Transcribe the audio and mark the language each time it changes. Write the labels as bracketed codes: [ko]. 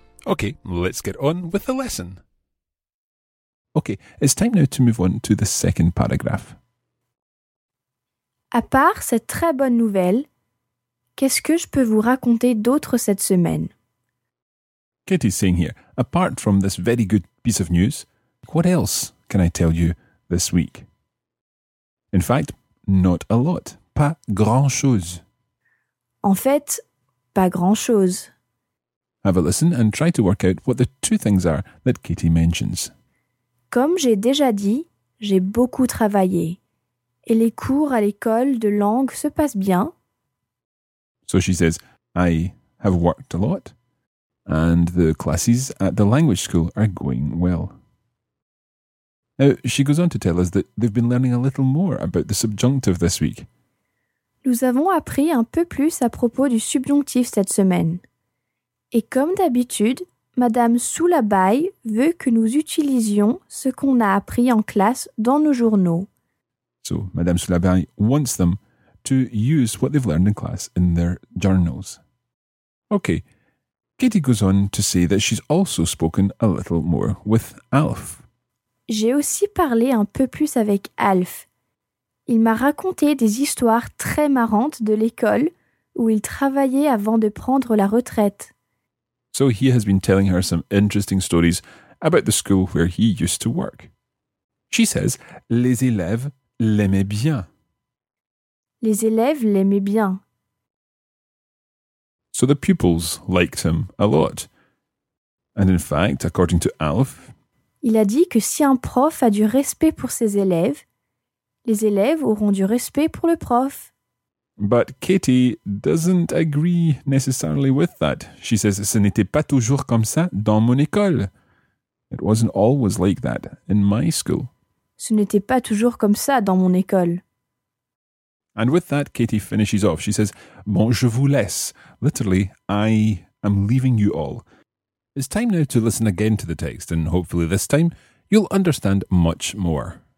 [en] Okay, let's get on with the lesson. Okay, it's time now to move on to the second paragraph. [fr] À part cette très bonne nouvelle, qu'est-ce que je peux vous raconter d'autre cette semaine? [en] Katie's saying here, apart from this very good piece of news, what else can I tell you this week? In fact, not a lot. [fr] Pas grand-chose. En fait, pas grand-chose. [en] Have a listen and try to work out what the two things are that Katie mentions. [fr] Comme j'ai déjà dit, j'ai beaucoup travaillé. Et les cours à l'école de langue se passent bien. [en] So she says, I have worked a lot. And the classes at the language school are going well. Now, she goes on to tell us that they've been learning a little more about the subjonctive this week. [fr] Nous avons appris un peu plus à propos du subjonctif cette semaine. Et comme d'habitude, Madame Soulabaille veut que nous utilisions ce qu'on a appris en classe dans nos journaux. [en] So, Madame Soulabaille wants them to use what they've learned in class in their journals. Okay, Katie goes on to say that she's also spoken a little more with Alf. [fr] J'ai aussi parlé un peu plus avec Alf. Il m'a raconté des histoires très marrantes de l'école où il travaillait avant de prendre la retraite. [en] So he has been telling her some interesting stories about the school where he used to work. She says, [fr] les élèves l'aimaient bien. Les élèves l'aimaient bien. [en] So the pupils liked him a lot. And in fact, according to Alf, [fr] il a dit que si un prof a du respect pour ses élèves, les élèves auront du respect pour le prof. [en] But Katie doesn't agree necessarily with that. She says, [fr] ce n'était pas toujours comme ça dans mon école. [en] It wasn't always like that in my school. [fr] Ce n'était pas toujours comme ça dans mon école. [en] And with that, Katie finishes off. She says, [fr] bon, je vous laisse. [en] Literally, I am leaving you all. It's time now to listen again to the text, and hopefully this time you'll understand much more.